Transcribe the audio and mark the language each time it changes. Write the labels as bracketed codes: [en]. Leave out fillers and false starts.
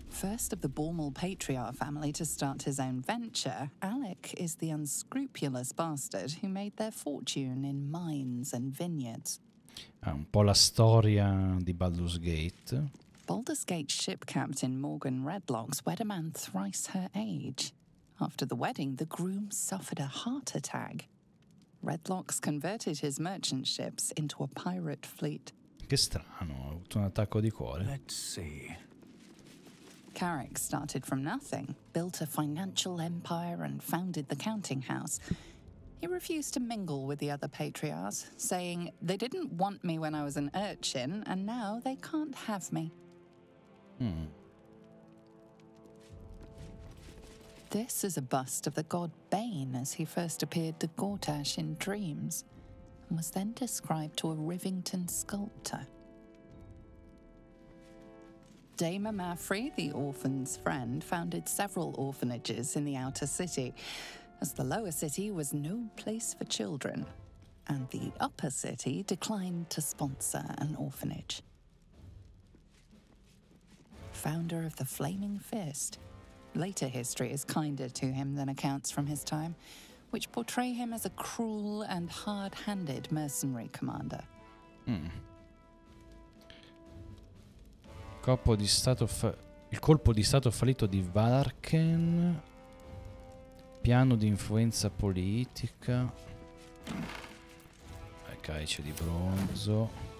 [en] First of the Bormal patriarch family to start his own venture, Alec is the unscrupulous bastard who made their fortune in mines and vineyards. [it] È un po' la storia di Baldur's Gate. [en] Baldur's Gate ship captain Morgan Redlocks wed a man thrice her age. After the wedding, the groom suffered a heart attack. Redlocks converted his merchant ships into a pirate fleet. [it] Che strano, ha avuto un attacco di cuore. [en] Let's see. Carrick started from nothing, built a financial empire and founded the counting house. He refused to mingle with the other patriarchs, saying, they didn't want me when I was an urchin, and now they can't have me. Hmm. This is a bust of the god Bane as he first appeared to Gortash in dreams and was then described to a Rivington sculptor. Damer Maffrey, the orphan's friend, founded several orphanages in the outer city, as the lower city was no place for children, and the upper city declined to sponsor an orphanage. Founder of the Flaming Fist. Later history is kinder to him than accounts from his time, which portray him as a cruel and hard-handed mercenary commander. Mm. [it] Il colpo di stato fallito di Valarken. Piano di influenza politica. Calice di bronzo.